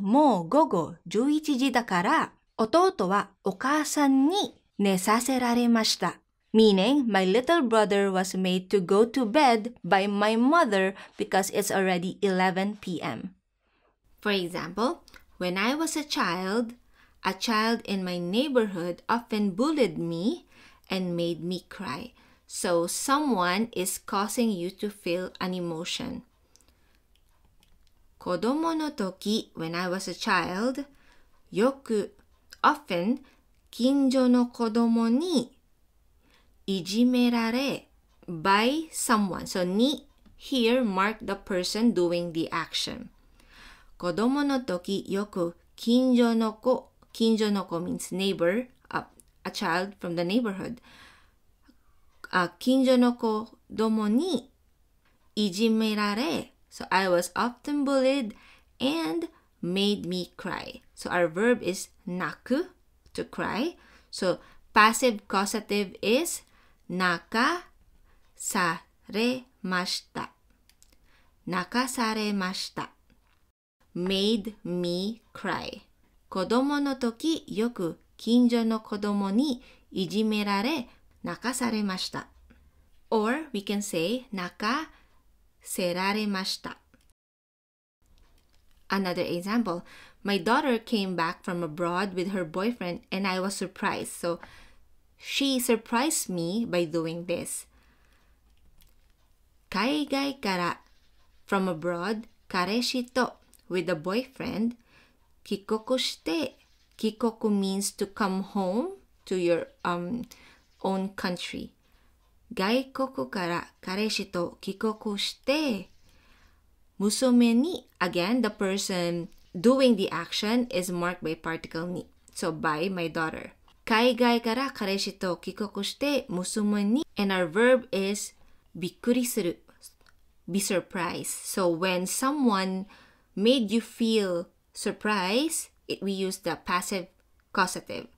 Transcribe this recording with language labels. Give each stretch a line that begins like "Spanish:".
Japanese: もう午後11時だから弟はお母さんに寝させられました
English: meaning my little brother was made to go to bed by my mother because it's already 11 p.m. For example, when I was a child in my neighborhood often bullied me and made me cry. So, someone is causing you to feel an emotion.
Japanese: 子供の時,
English: when I was a child,
Japanese: よく, often, 近所の子供にいじめられ
English: by someone. So, に, here, mark the person doing the action.
Japanese: 子供の時, よく近所の子, 近所の子
English: means neighbor, a child from the neighborhood.
Japanese: 近所の子供にいじめられ
English: So I was often bullied and made me cry. So our verb is 泣く, to cry. So passive causative is
Japanese: 泣かされました泣かされました
English: Made me cry.
Japanese: 子供の時よく近所の子供にいじめられ泣かされました
English: Or we can say, 泣かせられました。 Another example, my daughter came back from abroad with her boyfriend and I was surprised. So she surprised me by doing this.
Japanese: 海外から
English: from abroad,
Japanese: 彼氏と
English: with a boyfriend,
Japanese: 帰国して
English: 帰国 means to come home to your own country.
Japanese: 外国から彼氏と帰国して娘に
English: Again, the person doing the action is marked by particle ni. So by my daughter.
Japanese: 海外から彼氏と帰国して娘に
English: And our verb is びっくりする Be surprised. So when someone made you feel surprised, we use the passive causative.